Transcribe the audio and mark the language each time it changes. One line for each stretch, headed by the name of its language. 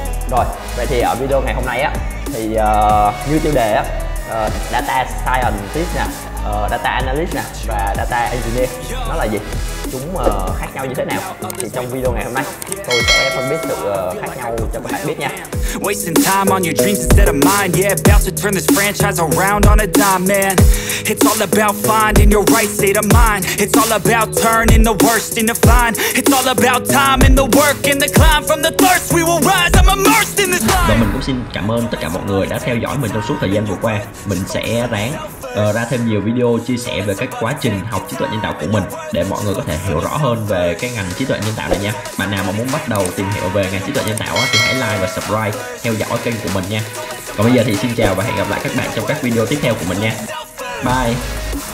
Vietnamese: Rồi, vậy thì ở video ngày hôm nay á, thì như tiêu đề á, data scientist nè, data analyst nè và data engineer, nó là gì? Chúng khác nhau như thế nào? Thì trong video ngày hôm nay, tôi sẽ phân biết sự khác nhau cho các bạn biết nha.
English: Wasting time on your dreams instead of mine. Yeah, about to turn this franchise around on a dime, man. It's all about finding your right state of mind. It's all about turning the worst into fine. It's all about time and the work and the climb. From the thirst we will rise, I'm immersed in this life.
Vietnamese: Và mình cũng xin cảm ơn tất cả mọi người đã theo dõi mình trong suốt thời gian vừa qua. Mình sẽ ráng ra thêm nhiều video chia sẻ về cái quá trình học trí tuệ nhân tạo của mình để mọi người có thể hiểu rõ hơn về cái ngành trí tuệ nhân tạo này nha. Bạn nào mà muốn bắt đầu tìm hiểu về ngành trí tuệ nhân tạo thì hãy like và subscribe theo dõi kênh của mình nha. Còn bây giờ thì xin chào và hẹn gặp lại các bạn trong các video tiếp theo của mình nha. Bye.